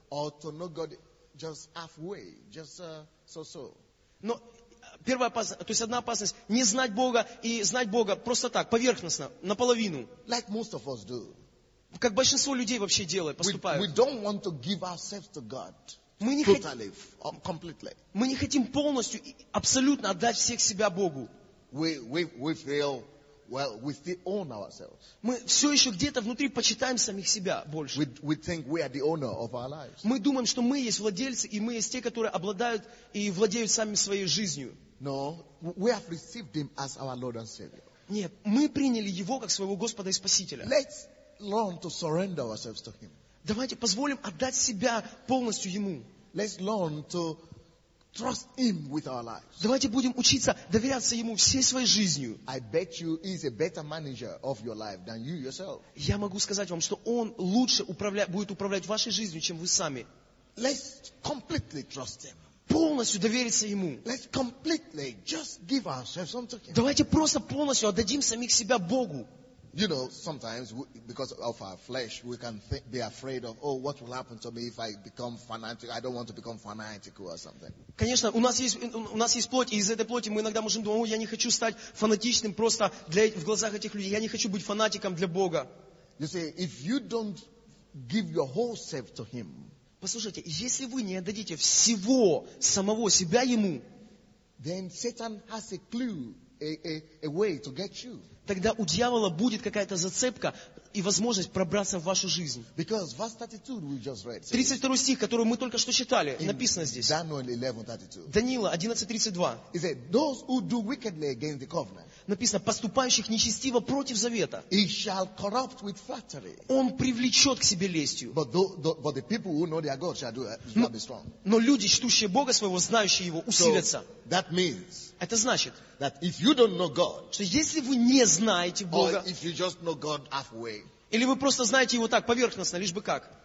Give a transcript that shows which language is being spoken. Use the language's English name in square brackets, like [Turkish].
[English] Or to know God just halfway, just so-so. [Russian] Но первая опасность, то есть одна опасность, не знать Бога и знать Бога просто так, поверхностно, наполовину. [English] Like most of us do. [Russian] Как большинство людей вообще делают, поступают. [English] We don't want to give ourselves to God totally, completely. [Russian] Мы не хотим полностью, абсолютно отдать всех себя Богу. [English] We feel, well, we still own ourselves. [Russian] Мы все еще где-то внутри почитаем самих себя больше. [English] We think we are the owner of our lives. [Russian] Мы думаем, что мы есть владельцы, и мы есть те, которые обладают и владеют сами своей жизнью. [English] No, we have received Him as our Lord and Savior. [Russian] Нет, мы приняли Его как своего Господа и Спасителя. [English] Let's learn to surrender ourselves to Him. [Russian] Давайте позволим отдать себя полностью Ему. [English] Let's learn to trust Him with our lives. [Russian] Давайте будем учиться доверяться Ему всей своей жизнью. [English] I bet you He is a better manager of your life than you yourself. [Russian] Я могу сказать вам, что Он лучше будет управлять вашей жизнью, чем вы сами. [English] Let's completely trust Him. [Russian] Полностью довериться Ему. [English] Let's completely just give ourselves unto Him. [Russian] Давайте просто полностью отдадим самих себя Богу. [English] You know, sometimes because of our flesh, we can be afraid of, oh, what will happen to me if I become fanatic? I don't want to become fanatic or something. [Russian] Конечно, у нас есть плоть, и из этой плоти мы иногда можем думать, о, я не хочу стать фанатичным просто в глазах этих людей. Я не хочу быть фанатиком для Бога. [English] You see, if you don't give your whole self to Him. [Russian] Послушайте, если вы не отдадите всего самого себя Ему, [English] then Satan has a clue. A way to get you. [Russian] Тогда у дьявола будет какая-то зацепка и возможность пробраться в вашу жизнь. [English] Because verse 32 we just read. [Russian] 32 стих, который мы только что читали, написано здесь. [English] Daniel 11:32. [Russian] Даниила 11:32. [English] He said, "Those who do wickedly against the covenant." [Russian] Написано, поступающих нечестиво против завета. [English] He shall corrupt with flattery. [Russian] Он привлечет к себе лестью. [English] But the people who know their God shall do it. Shall be strong. [Russian] Но люди, чтущие Бога своего, знающие Его, усилятся. [English] So, that means. [Russian] Это значит. [English] That if you don't know God. [Russian] Что если вы не знаете Бога. [English] Or if you just know God halfway. [Russian] Или вы просто знаете Его так поверхностно, лишь бы как.